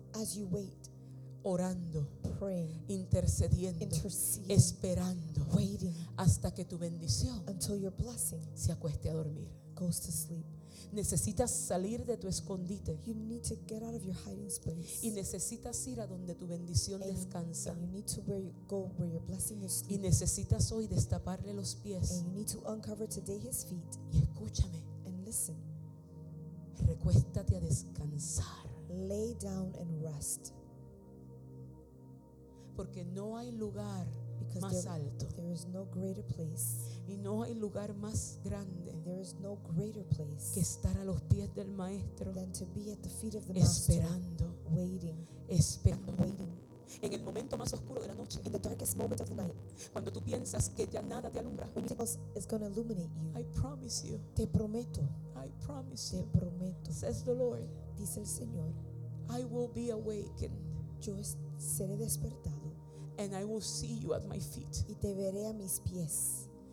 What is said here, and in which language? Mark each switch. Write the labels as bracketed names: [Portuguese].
[English] As you wait. [Spanish] Orando. [English] Praying. [Spanish] Intercediendo. [English] Interceding. [Spanish] Esperando. [English] Waiting. [Spanish] Hasta que tu bendición. [English] Until your blessing. [Spanish] Se acueste a dormir. [English] Goes to sleep. [Spanish] Necesitas salir de tu escondite. [English] You need to get out of your hiding place. [Spanish] Y necesitas ir a donde tu bendición descansa. [English] And you need to where you go where your blessing is. [Spanish] Y necesitas hoy destaparle los pies. [English] And you need to uncover today his feet. [Spanish] Y escúchame. [English] And listen. [Spanish] Recuéstate a descansar. [English] Lay down and rest. [Spanish] Porque no hay lugar más alto. [English] There is no greater place. [Spanish] Y no hay lugar más grande. [English] There is no greater place. [Spanish] Que estar a los pies del maestro. [English] Than to be at the feet of the [Spanish] esperando, [English] master. Waiting. [Spanish] Esperando. [English] Waiting. [Spanish] En el momento más oscuro de la noche. [English] In the darkest moment of the night. [Spanish] Cuando tú piensas que ya nada te alumbra. [English] When you think it's going to illuminate you. I promise you. [Spanish] Te prometo. [English] I promise you. [Spanish] Te prometo. [English] Says the Lord. [Spanish] Dice el Señor. [English] I will be awakened. [Spanish] Yo seré despertado. [English] And I will see you at my feet. [Spanish] Y te veré a mis pies.